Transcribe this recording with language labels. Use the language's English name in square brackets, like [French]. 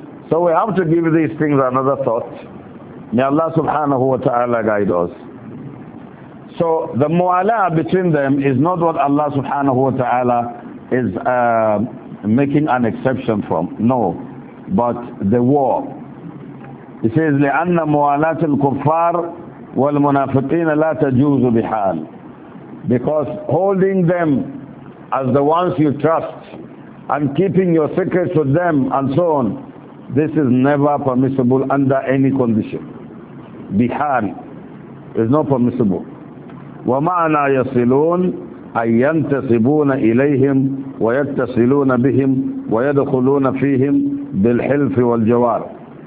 [English] So we have to give these things another thought. May Allah subhanahu wa ta'ala guide us. So the mu'alaa between them is not what Allah subhanahu wa ta'ala is making an exception from. No. But the war. He says, [Arabic] لِأَنَّ مُعَلَاتِ الْكُفَّارِ وَالْمُنَافِقِينَ لَا تَجُوزُ بِحَالٍ. [English] Because holding them as the ones you trust and keeping your secrets with them and so on, this is never permissible under any condition. Bihal is not permissible. [Arabic] وَمَعْنَا يَصِلُونَ أَن يَنْتَصِبُونَ إِلَيْهِمْ وَيَتَّصِلُونَ بِهِمْ وَيَدْخُلُونَ فِيهِمْ بِالْحِلْفِ وَالْجَوَارِ.